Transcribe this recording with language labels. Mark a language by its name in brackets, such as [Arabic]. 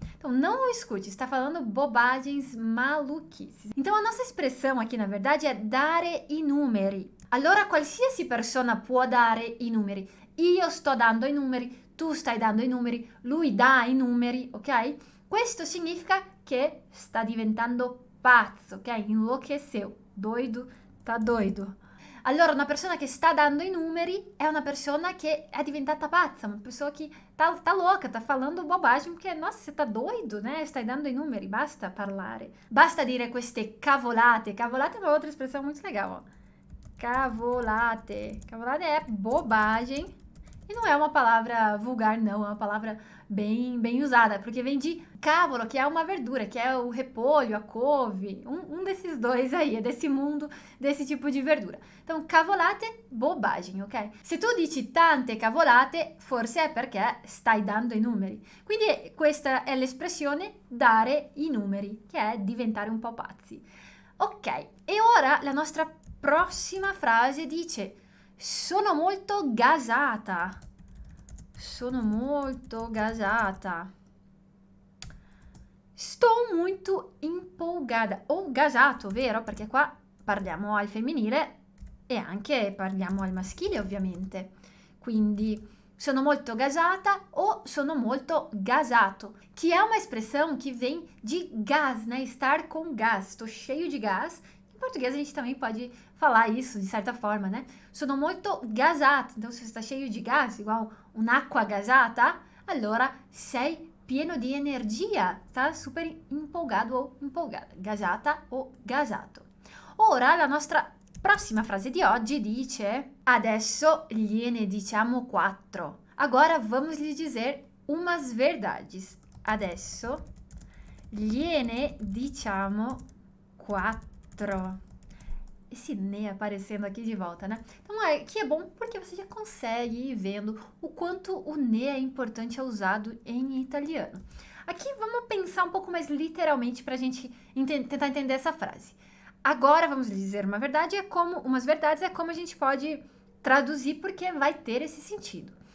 [Portuguese] Então, não o escute, está falando bobagens maluquices. Então, a nossa expressão aqui, na verdade, é [Italian] dare i numeri. Allora, qualsiasi persona può dare i numeri. Io sto dando i numeri, tu stai dando i numeri, lui dà i numeri, ok? Questo significa che sta diventando pazzo, ok? [Portuguese] Enlouqueceu. Doido, tá doido. [Italian] Allora, una persona che sta dando i numeri è una persona che è diventata pazza, una persona che [Portuguese] tá louca, tá falando bobagem, perché, nossa, você tá doido, né? [Italian] Stai dando i numeri, basta parlare. Basta dire queste cavolate. Cavolate è un'altra espressione molto legale. Cavolate. Cavolate è [Portuguese] bobagem [Italian] e non è una parola vulgar, no, è una parola ben usata, perché [Portuguese] vem di [Italian] cavolo, che è una verdura, che è il [Portuguese] repolho, a couve, un desses dois aí, è desse mundo, desse tipo di verdura. Então, [Italian] cavolate, [Portuguese] bobagem, ok? [Italian] Se tu dici tante cavolate, forse è perché stai dando i numeri. Quindi questa è l'espressione dare i numeri, che è diventare un po' pazzi. Ok, e ora la nostra prossima frase dice: sono molto gasata. Sono molto gasata. Sto molto impolgata. O gasato, vero? Perché qua parliamo al femminile. E anche parliamo al maschile, ovviamente. Quindi sono molto gasata o sono molto gasato, che è una espressione che viene di gas, né? Star con gas, sto [Portuguese] cheio [Italian] di gas. In portoghese [Portuguese] a gente também pode falar isso, di certa forma, né? [Italian] Sono molto gasato. [Portuguese] Então, se você está cheio di gas, igual [Italian] un'acqua gasata, allora sei pieno di energia, sta super impolgato o impolgata, gasata o gasato. Ora la nostra prossima frase di oggi dice: adesso gliene diciamo quattro. [Portuguese] Agora vamos lhe dizer umas verdades. [Italian] Adesso gliene diciamo quattro. [Portuguese] Esse ne aparecendo aqui de volta, né? Então aqui é bom porque você já consegue ir vendo o quanto o ne é importante, é usado em italiano. Aqui vamos pensar um pouco mais literalmente para a gente tentar entender essa frase. Agora vamos dizer uma verdade, é como umas verdades, é como a gente pode traduzir, porque vai ter esse sentido.